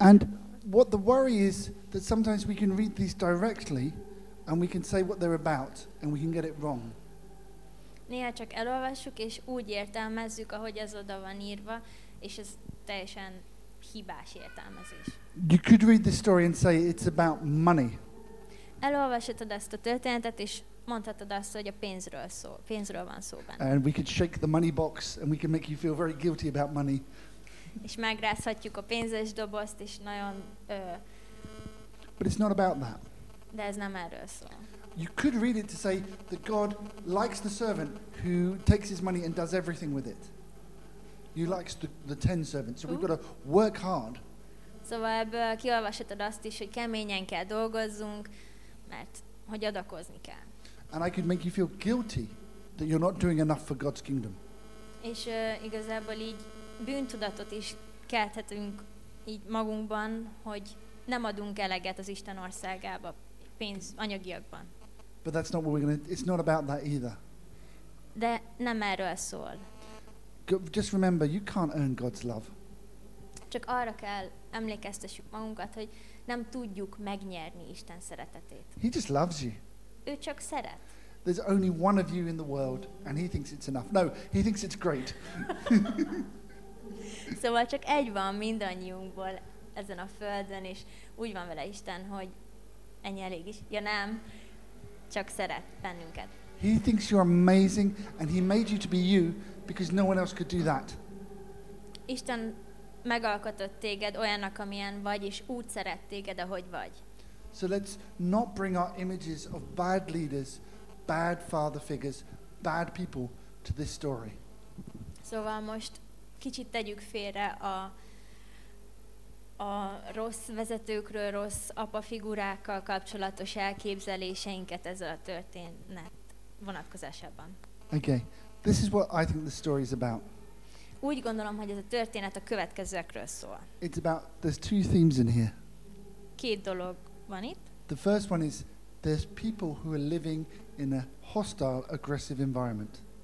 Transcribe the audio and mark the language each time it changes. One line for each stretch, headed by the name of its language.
English: And what the worry is that sometimes we can read these directly and we can say what they're about and we can get it wrong.
Hungarian: Néha csak elolvassuk és úgy értelmezzük, ahogy ez oda van írva, és ez teljesen hibás értelmezés.
English: You could read this story and say it's about money.
Hungarian: Elolvashatod ezt a történetet és mondhatod azt, hogy a pénzről szól, pénzről van szó benne.
English: And we could shake the money box and we can make you feel very guilty about money.
Hungarian: És megrázhatjuk a pénzes dobozt és nagyon
English: But it's not about that.
Hungarian: De ez nem erről szól.
English: You could read it to say that God likes the servant who takes his money and does everything with it. He likes the 10 servants. So we've got to work hard.
Hungarian: Szóval ebből kiolvashatod azt is, hogy keményen kell dolgozzunk, mert hogy adakozni kell.
English: And I could make you feel guilty that you're not doing enough for God's kingdom.
Hungarian: És igazából így bűntudatot is kelthetünk így magunkban, hogy nem adunk eleget az Isten országába pénz anyagiakban.
English: But that's not what we're going to, it's not about that either.
Hungarian: De nem erről szól.
English: Just remember, you can't earn God's love.
Hungarian: Csak arra kell emlékeztessük magunkat, hogy nem tudjuk megnyerni Isten szeretetét.
English: He just loves you.
Hungarian: Ő csak szeret.
English: There's only one of you in the world, and he thinks it's enough. No, he thinks it's great.
Hungarian: Szóval csak egy van mindannyiunkból ezen a földön, és úgy van vele Isten, hogy ennyi elég is. Ja nem, csak szeret bennünket.
English: He thinks you're amazing, and he made you to be you, because no one else could do that.
Hungarian: Isten megalkotott téged olyannak, amilyen vagy, és úgy szeret téged, ahogy vagy.
English: So let's not bring our images of bad leaders, bad father figures, bad people to this story.
Hungarian: Szóval most kicsit tegyük félre a rossz vezetőkről, rossz apa figurákkal kapcsolatos elképzeléseinket ezzel a történet vonatkozásában.
English: Okay, this is what I think the story is about.
Hungarian: Úgy gondolom, hogy ez a történet a következőkről szól.
English: It's about, there's two themes in here.
Hungarian: Két dolog van itt.
English: The first one is, there's people who are living in a hostile, aggressive environment.